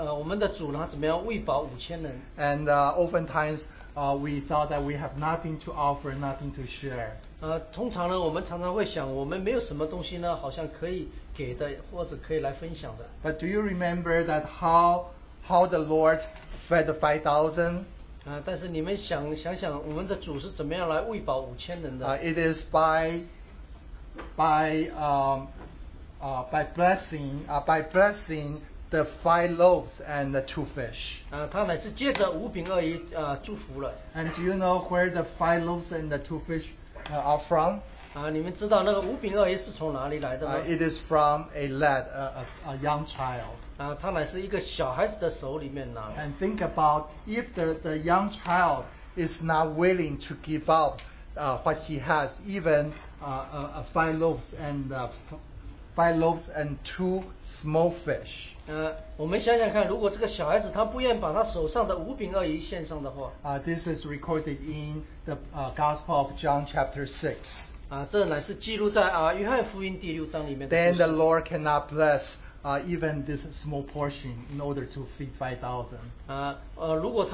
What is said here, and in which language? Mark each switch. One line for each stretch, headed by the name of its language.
Chinese: 每次来到这样子的一个聚会的时候，我总是想起了那个我们的主呢怎么样喂饱5,000人。
English: And oftentimes, we thought that we have nothing to offer, nothing to share.
Chinese: 通常呢，我们常常会想，我们没有什么东西呢，好像可以给的，或者可以来分享的。
English: But do you remember that how the Lord fed the 5,000?
Chinese: 但是你们想想，我们的主是怎么样来喂饱5,000人的？
English: It is by blessing the 5 loaves and the 2 fish.
Chinese: 他乃是借着五饼二鱼祝福了。
English: And do you know where the 5 loaves and the 2 fish are from?
Chinese: 你们知道那个五饼二鱼是从哪里来的吗？
English: It is from a lad, a young child.
Chinese: 他乃是一个小孩子的手里面拿的。
English: And think about if the young child is not willing to give up what he has, even five loaves and two small fish.
Chinese: 我们想想看，如果这个小孩子他不愿把他手上的五饼二鱼献上的话。
English: This is recorded in the Gospel of John chapter 6.
Chinese: 这乃是记录在约翰福音第6章里面的故事。
English: Then the Lord cannot bless even this small portion in order to feed 5,000.